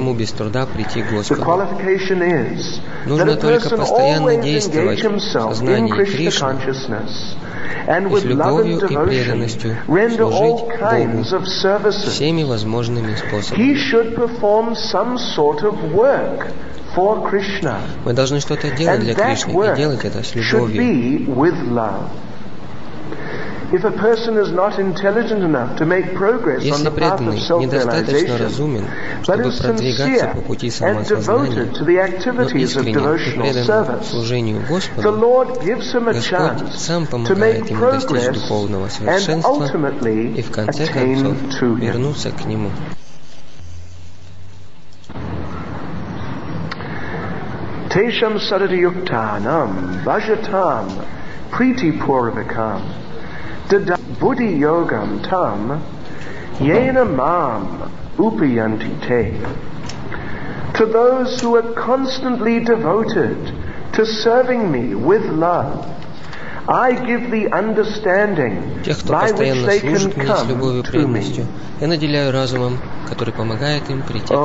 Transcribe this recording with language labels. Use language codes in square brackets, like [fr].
[en] The qualification is that a person always engage himself in Krishna consciousness and with love and devotion render all kinds of services. He should perform some sort of work for Krishna. [ru] Мы должны что-то делать для Кришны и делать это с любовью. [en] If a person is not intelligent enough to make progress on the path of self-realization, but is sincere and devoted to the activities of devotional service, the Lord gives him a chance to make progress and ultimately attain to Him. [sa] Tesham sarati yuktanam vajatam priti puravikam Dada buddhi yogam tam yena mam upayanti te. [en] To those who are constantly devoted to serving me with love, I give the understanding by which they can come to me. [ru] Я наделяю разумом, который помогает им прийти ко мне.